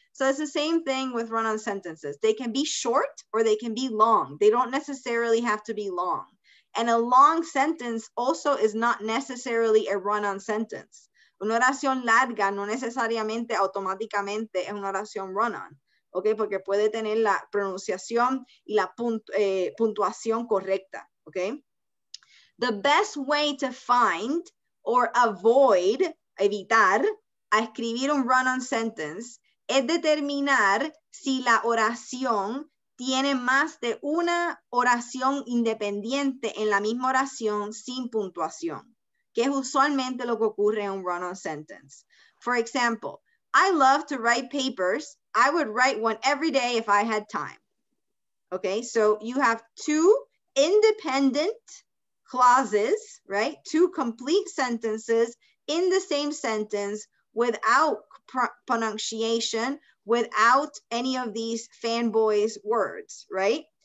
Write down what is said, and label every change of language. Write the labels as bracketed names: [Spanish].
[English] So it's the same thing with run-on sentences. They can be short or they can be long. They don't necessarily have to be long. And a long sentence also is not necessarily a run-on sentence. [Spanish] Una oración larga no necesariamente automáticamente es una oración run-on. Okay, porque puede tener la pronunciación y la puntuación correcta. Okay. [English] The best way to find or avoid, [Spanish] evitar, a escribir un run-on sentence es determinar si la oración tiene más de una oración independiente en la misma oración sin puntuación, que es usualmente lo que ocurre en un run-on sentence. [English] For example, I love to write papers. I would write one every day if I had time. Okay, so you have two independent clauses, right? Two complete sentences in the same sentence without pronunciation, without any of these fanboys words, right?